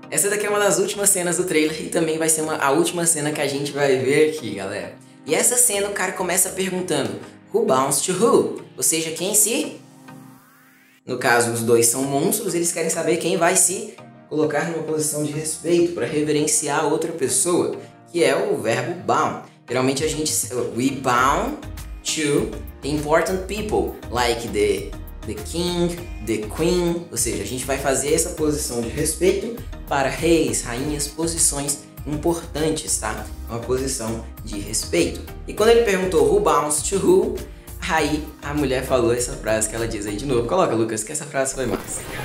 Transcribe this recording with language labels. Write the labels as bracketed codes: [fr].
[pt] Essa daqui é uma das últimas cenas do trailer e também vai ser a última cena que a gente vai ver aqui, galera. E essa cena o cara começa perguntando, [en] who bounds to who? [pt] Ou seja, quem se... No caso, os dois são monstros, eles querem saber quem vai se colocar numa posição de respeito para reverenciar a outra pessoa, que é o verbo bound. Geralmente a gente... [en] We bound to important people, like the king, the queen. [pt] Ou seja, a gente vai fazer essa posição de respeito para reis, rainhas, posições importantes, tá? Uma posição de respeito. E quando ele perguntou [en] who bounds to who, [pt] aí a mulher falou essa frase que ela diz aí de novo. Coloca, Lucas, que essa frase foi massa.